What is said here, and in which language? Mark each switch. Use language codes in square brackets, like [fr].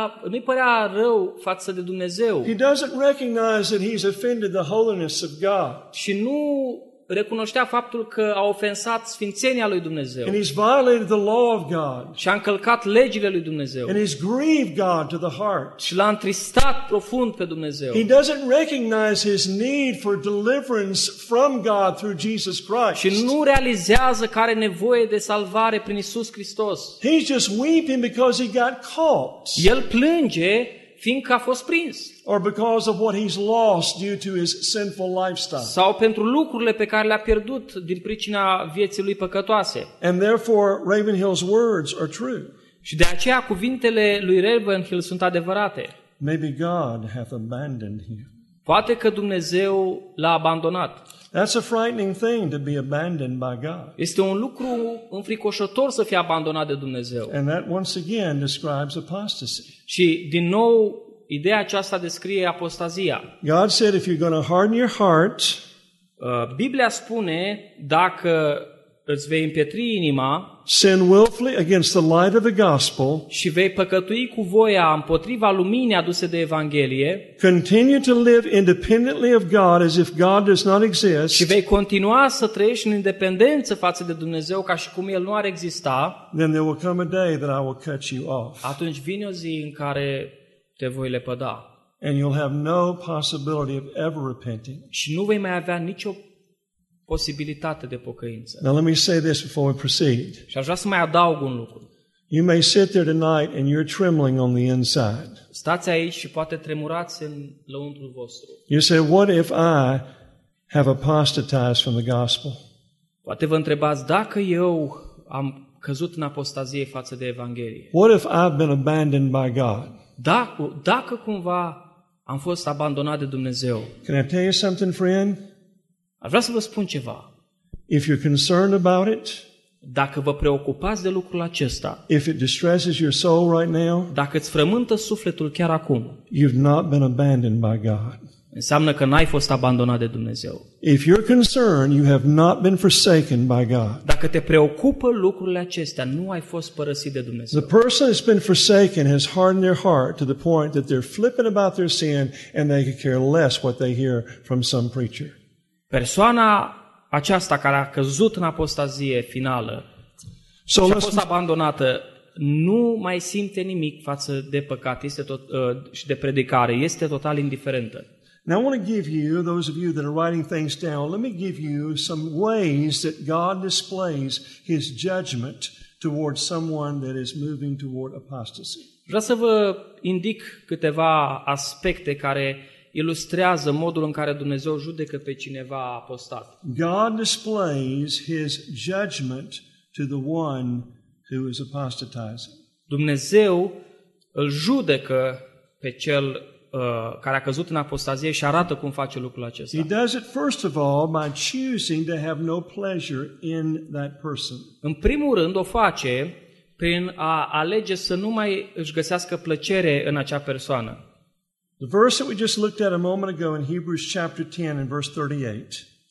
[ro] Nu-i părea rău față de Dumnezeu. [en] He doesn't recognize that he's offended the holiness of God. [ro] Și nu recunoștea faptul că a ofensat sfințenia lui Dumnezeu. [en] And he's violated the law of God. [ro] Și a încălcat legile lui Dumnezeu. [en] And he's grieved God to the heart. [ro] Și l-a întristat profund pe Dumnezeu. [en] He doesn't recognize his need for deliverance from God through Jesus Christ. [ro] Și nu realizează că are nevoie de salvare prin Iisus Hristos. [en] He's just weeping because he got caught. [ro] El plânge fiindcă a fost prins. [en] Or because of what he's lost due to his sinful lifestyle. [ro] Sau pentru lucrurile pe care le-a pierdut din pricina vieții lui păcătoase. [en] And therefore Ravenhill's words are true. [ro] Și de aceea cuvintele lui Ravenhill sunt adevărate. [en] Maybe God hath abandoned him. [ro] Poate că Dumnezeu l-a abandonat. [en] That's a frightening thing to be abandoned by God. [ro] Este un lucru înfricoșător să fii abandonat de Dumnezeu. [en] And that once again describes apostasy. [ro] Și din nou Ideea aceasta descrie apostazia. [en] God said if you're going to harden your heart, [ro] Biblia spune dacă îți vei împietri inima, [en] sin willfully against the light of the gospel, [ro] și vei păcătui cu voia împotriva luminii aduse de evanghelie, [en] continue to live independently of God as if God does not exist, [ro] și vei continua să trăiești în independență față de Dumnezeu ca și cum el nu ar exista, [en] then there will come a day that I will cut you off. [ro] Atunci vine o zi în care te voi lepăda. [en] And you'll have no possibility of ever repenting. [ro] Și nu vei mai avea nicio posibilitate de pocăință. [en] Now let me say this before we proceed. [ro] Și aș vrea să mai adaug un lucru. [en] You may sit there tonight and you're trembling on the inside. [ro] Stați aici și poate tremurați în lăuntrul vostru. [en] You say, what if I have apostatized from the gospel? [ro] Poate vă întrebați, dacă eu am căzut în apostazie față de evanghelie? [en] What if I've been abandoned by God? [ro] Dacă cumva am fost abandonat de Dumnezeu. [en] Can I tell you something, friend? [ro] Aș vrea să vă spun ceva. [en] If you're concerned about it, [ro] dacă vă preocupați de lucrul acesta, [en] if it distresses your soul right now, [ro] dacă îți frământă sufletul chiar acum, [en] you've not been abandoned by God. [ro] Înseamnă că n-ai fost abandonat de Dumnezeu. [en] If you're concerned, you have not been forsaken by God. [ro] Dacă te preocupă lucrurile acestea, nu ai fost părăsit de Dumnezeu. [en] The person that's been forsaken has hardened their heart to the point that they're flipping about their sin and they could care less what they hear from some preacher. [ro] Persoana aceasta care a căzut în apostazie finală și a fost abandonată nu mai simte nimic față de păcat și de predicare, este total indiferentă. [en] Now I want to give you, those of you that are writing things down, let me give you some ways that God displays his judgment toward someone that is moving toward apostasy. [ro] Vreau să vă indic câteva aspecte care ilustrează modul în care Dumnezeu judecă pe cineva apostat. [en] God displays his judgment to the one who is apostatizing. [ro] Dumnezeu îl judecă pe cel care a căzut în apostazie și arată cum face lucrul acesta. [en] He does it first of all by choosing to have no pleasure in that person. [ro] În primul rând o face prin a alege să nu mai își găsească plăcere în acea persoană. [en] The verse that we just looked at a moment ago in Hebrews chapter 10 and verse 38.